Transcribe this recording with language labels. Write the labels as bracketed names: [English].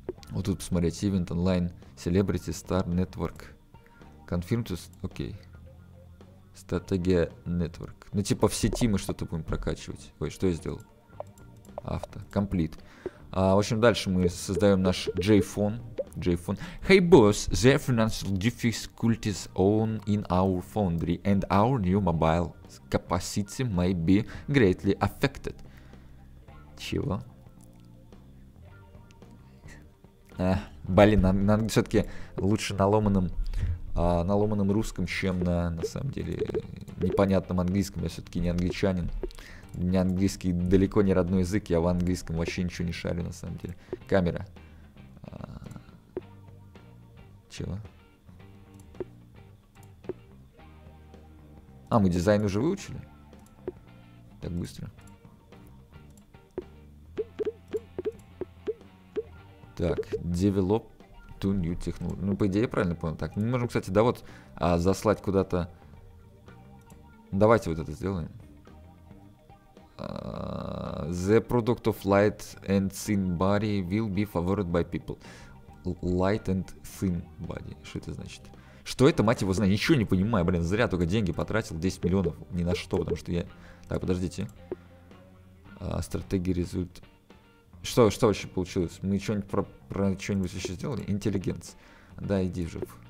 [Russian] Вот тут посмотреть. [English] Event Online. Celebrity Star Network. Confirm to... Окей. [Russian] Стратегия Network. Ну, типа в сети мы что-то будем прокачивать. Ой, что я сделал? Авто. Complete. В общем, дальше мы создаем наш J-Phone. [English] Hey boss, there are financial difficulties on in our foundry, and our new mobile capacity may be greatly affected. [Russian] Чего? Блин, надо все-таки лучше на ломаном русском, чем на самом деле непонятном английском. Я все-таки не англичанин. Не английский, далеко не родной язык, я в английском вообще ничего не шарю, на самом деле. Камера. Чего? А, мы дизайн уже выучили? Так быстро. [English] Так, develop to new technology. [Russian] Ну, по идее, я правильно понял. Так, мы можем, кстати, да вот, заслать куда-то. Давайте вот это сделаем. [English] The product of light and thin body will be favored by people. Light and thin body. [Russian] Что это значит? Что это, мать его, знаю? Ничего не понимаю, блин, зря только деньги потратил. 10 миллионов, ни на что, потому что я... Так, подождите. Стратегия, результат... Что, что вообще получилось? Мы что-нибудь про что-нибудь вообще сделали? Интеллигенс. Да, иди же.